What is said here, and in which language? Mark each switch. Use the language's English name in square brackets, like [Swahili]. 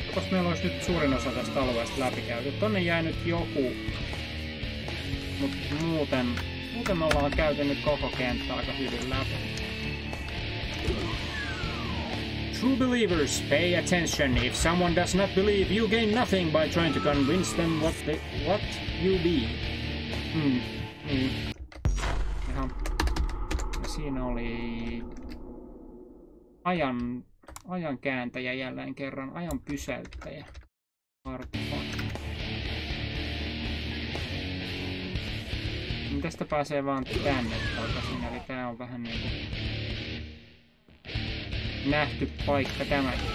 [Finnish] Meillä olisi nyt suurin osa tästä alueesta läpikäyty. Tonne jäi nyt joku, mutta muuten me ollaan käyty nyt koko kenttä aika hyvin läpi. [English] True believers, pay attention. If someone does not believe, you gain nothing by trying to convince them what you be. [Finnish] Ja siinä oli ajan kääntäjä jälleen kerran, ajan pysäyttäjä. Niin tästä pääsee vaan tänne takaisin, eli tää on vähän niinku nähty paikka tämä.